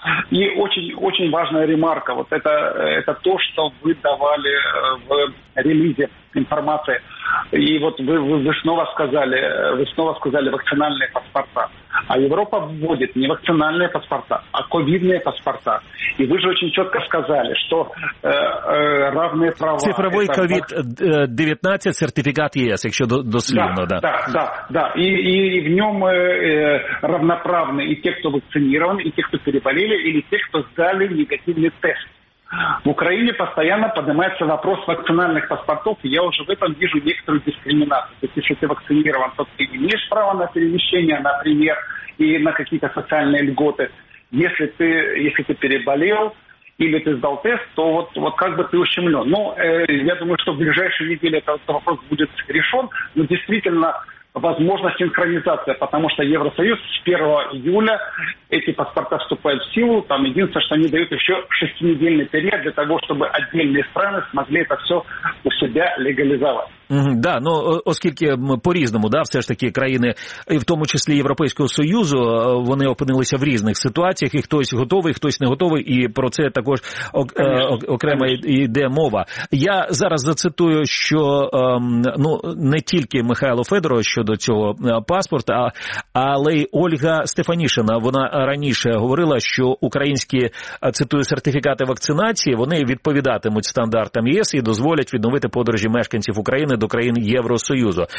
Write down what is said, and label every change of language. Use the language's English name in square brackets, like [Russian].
[Russian] И очень важная ремарка. Вот это то, что вы давали в релизе информации. И вот вы снова сказали вакцинальные паспорта. А Европа вводит не вакцинальные паспорта, а ковидные паспорта. И вы же очень четко сказали, что равные права... Цифровой COVID-19 сертификат ЕС, если дослівно, да. Да. И в нем равноправны и те, кто вакцинирован, и те, кто переболели, или те, кто сдали негативный тест. В Украине постоянно поднимается вопрос вакцинальных паспортов, и я уже в этом вижу некоторую дискриминацию. То есть, если ты вакцинирован, то ты имеешь право на перемещение, например, и на какие-то социальные льготы. Если ты переболел или ты сдал тест, то вот как бы ты ущемлен. Но я думаю, что в ближайшие недели этот вопрос будет решен. Но действительно, возможна синхронизация, потому что Евросоюз с 1 июля эти паспорта вступают в силу. Там единственное, что они дают еще 6-недельный период для того, чтобы отдельные страны смогли это все у себя легализовать. [Ukrainian] Да, ну оскільки по-різному, да, все ж таки країни, і в тому числі Європейського Союзу, вони опинилися в різних ситуаціях, і хтось готовий, хтось не готовий, і про це також окремо йде мова. Я зараз зацитую, що не тільки Михайло Федоров щодо цього паспорта, але й Ольга Стефанішина, вона раніше говорила, що українські, цитую, сертифікати вакцинації, вони відповідатимуть стандартам ЄС і дозволять відновити подорожі мешканців України до країн Євросоюзу.